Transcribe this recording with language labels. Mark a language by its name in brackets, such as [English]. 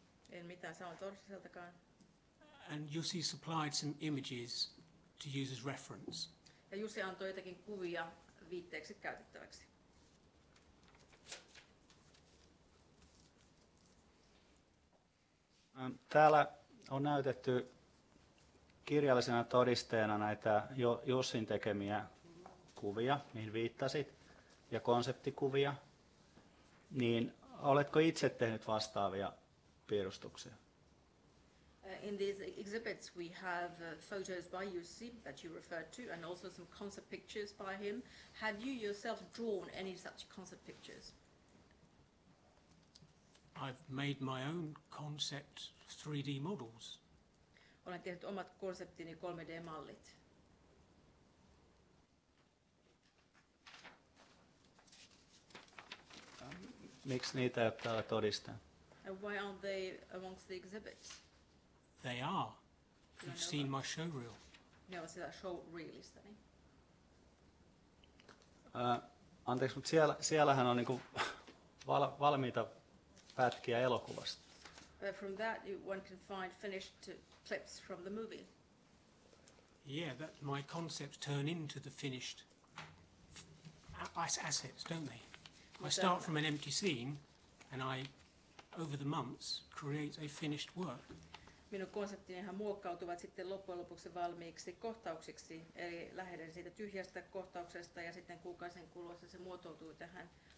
[Finnish] En mitään saanut Torsiseltakaan. [English] And Jussi supplied some images to use as reference. [Finnish] Ja Jussi antoi jotakin kuvia viitteeksi käytettäväksi. Täällä on näytetty kirjallisena todisteena näitä Jussin tekemiä kuvia, mihin viittasit, ja konseptikuvia. Niin oletko itse tehnyt vastaavia piirustuksia? [English] In these exhibits we have photos by Jussi that you referred to and also some concept pictures by him. Have you yourself drawn any such concept pictures? I've made my own concept 3D models. [Finnish] Olen tehnyt omat konseptini 3D-mallit. Miksi niitä ei ole täällä todistaa? [English] And why aren't they amongst the exhibits? They are. You've seen my showreel. [Finnish] Ne ovat siellä showreelista, niin. Anteeksi, mutta siellähän on niinku valmiita pätkiä elokuvasta. [English] From that one can find finished clips from the movie. Yeah, that my concepts turn into the finished assets, don't they? I start from an empty scene and I over the months create a finished work. [Finnish] Minun konseptinihan muokkautuvat sitten loppujen lopuksi valmiiksi kohtauksiksi, eli lähden siitä tyhjästä kohtauksesta ja sitten kuukausien kuluessa se muotoutuu tähän.